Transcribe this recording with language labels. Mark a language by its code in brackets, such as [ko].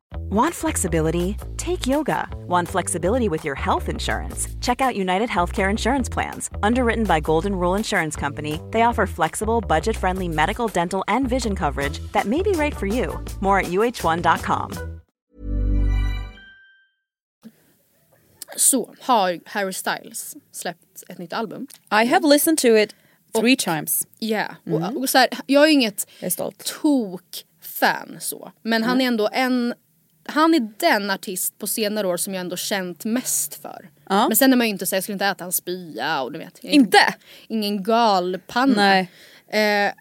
[en] Want flexibility? Take yoga. Want flexibility with your health insurance? Check out United Healthcare Insurance Plans. Underwritten by Golden Rule Insurance Company, they offer flexible, budget-friendly medical, dental, and vision coverage that may be right for you. More at uh1.com. [sv] Så har Harry Styles släppt ett nytt album. [en] I have listened to it 3 times. Ja, yeah. [sv] Och så här, jag är ju inget stolt tok fan så. Men han är ändå en, han är den artist på senare år som jag ändå känt mest för. Men sen är man ju inte så, jag skulle inte äta en spya och du vet. Inte? Ingen gal panna. Nej.